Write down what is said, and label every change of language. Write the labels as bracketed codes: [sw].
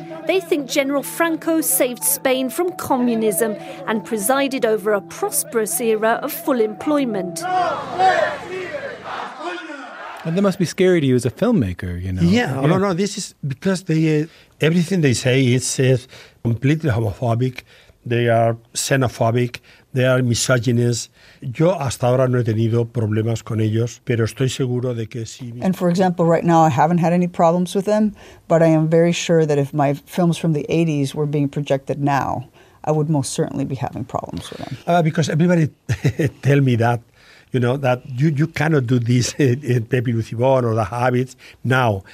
[en] They think General Franco saved Spain from communism and presided over a prosperous era of full employment. And that must be scary to you as a filmmaker, you know? Yeah, yeah. No, this is because everything they say is completely homophobic. They are xenophobic. They are misogynist. [es] Yo hasta ahora no he tenido problemas con ellos, pero estoy seguro de que sí. [en] And for example, right now I haven't had any problems with them, but I am very sure that if my films from the 80s were being projected now, I would most certainly be having problems with them. Because everybody tell me that, you know, that you cannot do this in Pepe Lucibón or The Habits now.